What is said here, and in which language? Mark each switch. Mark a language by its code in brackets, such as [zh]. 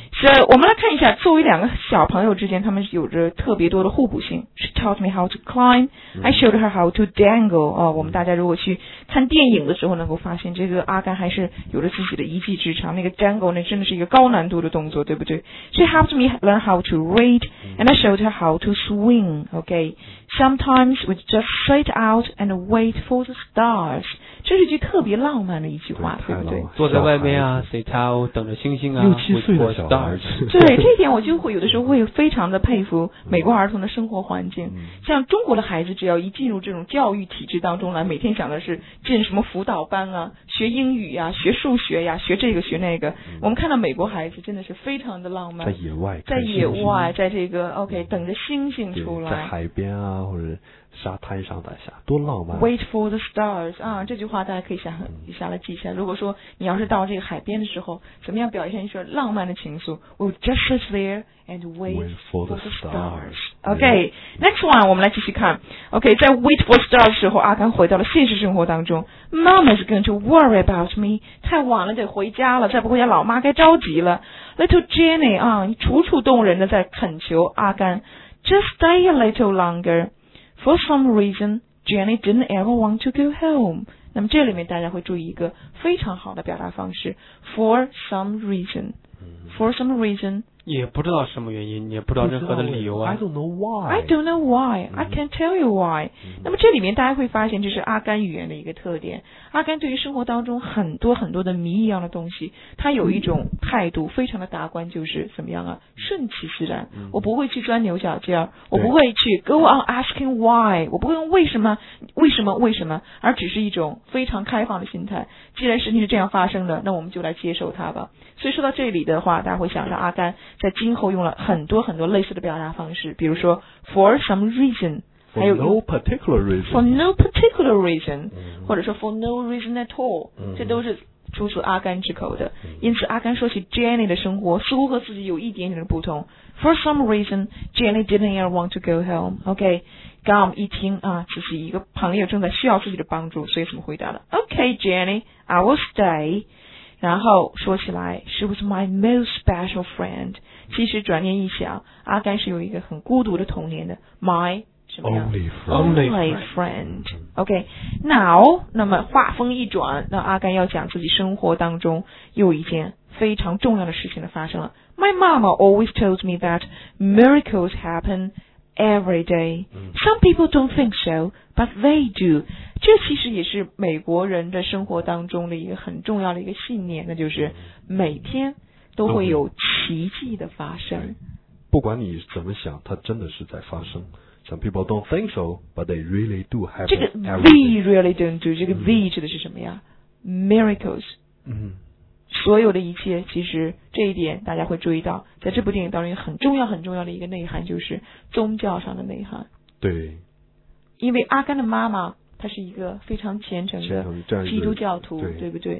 [zh] 所以我们来看一下，作为两个小朋友之间，他们有着特别多的互补性。 [en] She taught me how to climb、I showed her how to dangle、 [zh] 我们大家如果去看电影的时候能够发现，这个阿甘还是有着自己的一技之长。那个 dangle 呢，真的是一个高难度的动作，对不对？ [en] She helped me learn how to read、and I showed her how to swing。 OK， Sometimes we just sit out and wait for the stars。 [zh] 这是句特别浪漫的一句话， 对不对？坐在外面啊 ， [en] sit out， [zh] 等着星星啊，六七岁的小孩子。对，这一点我就会有的时候会非常的佩服美国儿童的生活环境。像中国的孩子，只要一进入这种教育体制当中来，每天想的是进什么辅导班啊，学英语呀、学数学呀、学这个学那个。我们看到美国孩子真的是非常的浪漫，在野外，在野外，在这个 OK， 等着星星出来，在海边啊，或者沙滩上的下，多浪漫。 [en] Wait for the stars [zh] 啊，这句话大家可以想一下来记一下。如果说你要是到这个海边的时候，怎么样表现一些浪漫的情愫 ？ [en] We'll just sit there and wait for the stars. Okay, next one， [zh] 我们来继续看。Okay， 在 [en] wait for stars [zh] 的时候，阿甘回到了现实生活当中。 [en] Mom is going to worry about me。 [zh] 太晚了，得回家了。再不回家，老妈该着急了。 Little Jenny 啊，楚楚动人的在恳求阿甘 ， [en] Just stay a little longer。 For some reason, Jenny didn't ever want to go home. [zh] 那么这里面大家会注意一个非常好的表达方式 [en] For some reason. For some reason. [zh] 也不知道什么原因，也不知道任何的理由啊。 [en] I don't know why. I don't know why. I can't tell you why. [zh] 那么这里面大家会发现，这是阿甘语言的一个特点。阿甘对于生活当中很多很多的谜一样的东西，他有一种态度非常的达观，就是怎么样啊，顺其自然。我不会去钻牛角尖，我不会去 [en] go on asking why， [zh] 我不会用为什么为什么为什么，而只是一种非常开放的心态。既然事情是这样发生的，那我们就来接受它吧。所以说到这里的话，大家会想到阿甘在今后用了很多很多类似的表达方式，比如说 [en] for some reason， for no particular reason， for no particular reason， [zh] 或者说 [en] for no reason at all， [zh] 这都是出自阿甘之口的。因此阿甘说起 Jenny 的生活似乎和自己有一点点的不同。 [en] For some reason Jenny didn't ever want to go home. [zh] OK， Gum 一听啊，只是一个朋友正在需要自己的帮助，所以怎么回答了？ [en] OK Jenny， I will stay。 [zh] 然后说起来 [en] She was my most special friend。 [zh] 其实转念一想，阿甘是有一个很孤独的童年的。 [en] My [zh] 什么样 [en] Only friend, only friend. OK Now [zh] 那么话锋一转，那阿甘要讲自己生活当中又一件非常重要的事情的发生了。 [en] My mama always told me that miracles happen every day. Some people don't think so, but they do. [zh] 这其实也是美国人的生活当中的一个很重要的一个信念，那就是每天都会有奇迹的发生。不管你怎么想，它真的是在发生。 [en] Some people don't think so, but they really do happen. [zh] 这个 [en] they really don't do， [zh] 这个 they 指的是什么呀？ [en] Miracles。 [zh] 所有的一切，其实这一点大家会注意到，在这部电影当中很重要很重要的一个内涵，就是宗教上的内涵。对。因为阿甘的妈妈他是一个非常虔诚的基督教徒， 对不对？